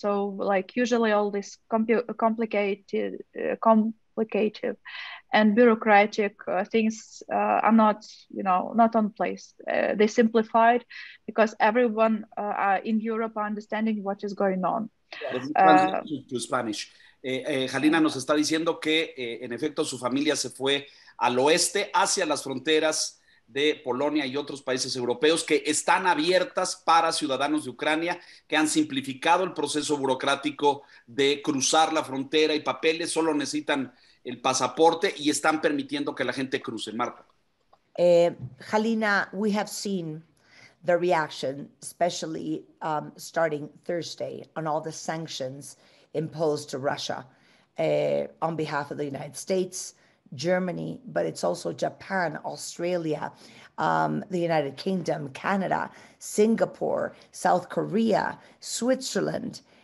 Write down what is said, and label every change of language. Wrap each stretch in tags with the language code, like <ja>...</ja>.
<en>So like usually all this complicated and bureaucratic things are not, you know, not on place. They simplified because everyone in Europe are understanding what is going on. To Spanish.</en> <es>Halyna nos está diciendo que en efecto su familia se fue al oeste hacia las fronteras de Polonia y otros países europeos que están abiertas para ciudadanos de Ucrania, que han simplificado el proceso burocrático de cruzar la frontera y papeles, solo necesitan el pasaporte y están permitiendo que la gente cruce. Marta.</es> <en>Halyna, we have seen the reaction, especially starting Thursday, on all the sanctions imposed to Russia on behalf of the United States, Germany, but it's also Japan, Australia, the United Kingdom, Canada, Singapore, South Korea, Switzerland.</en>